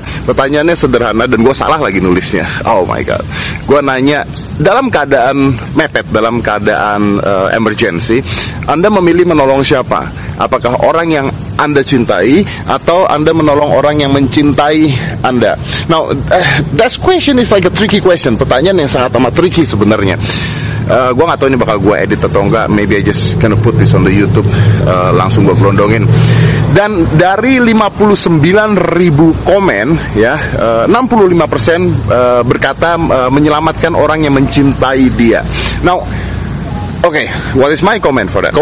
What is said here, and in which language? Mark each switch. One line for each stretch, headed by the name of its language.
Indonesian: Pertanyaannya sederhana dan gue salah lagi nulisnya.
English: Oh my god.
Indonesian: Gue nanya, dalam keadaan mepet, dalam keadaan emergency, Anda memilih menolong siapa? Apakah orang yang Anda cintai atau Anda menolong orang yang mencintai Anda?
English: Now, that question is like a tricky question.
Indonesian: Pertanyaan yang sangat amat tricky sebenarnya. Gua nggak tahu ini bakal gua edit atau enggak.
English: Maybe I just gonna put this on the YouTube.
Indonesian: Langsung gua gelondongin. Dan dari 59,000 komen, ya, 65% berkata menyelamatkan orang yang mencintai dia.
English: Now, okay, what is my comment for that?